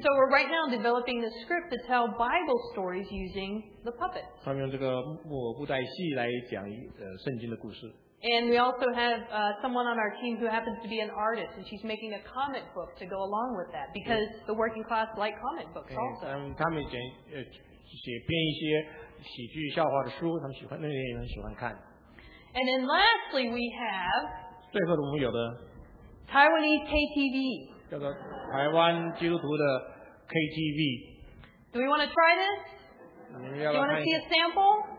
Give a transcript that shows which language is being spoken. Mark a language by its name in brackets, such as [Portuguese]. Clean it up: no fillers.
[English] And so we're right now developing the script to tell Bible stories using the puppets. [Chinese] 他们用这个木偶布袋戏来讲圣经的故事。 [English] And we also have someone on our team who happens to be an artist, and she's making a comic book to go along with that because the working class like comic books also. [Chinese] 他们编一些喜剧笑话的书，他们喜欢，那些人喜欢看。 [English] And then lastly, we have. [Chinese] 最后我们有的。 [English] Taiwanese KTV. [Chinese] 叫做台湾基督徒的 KTV. [English] Do we want to try this? Do you want to see a sample?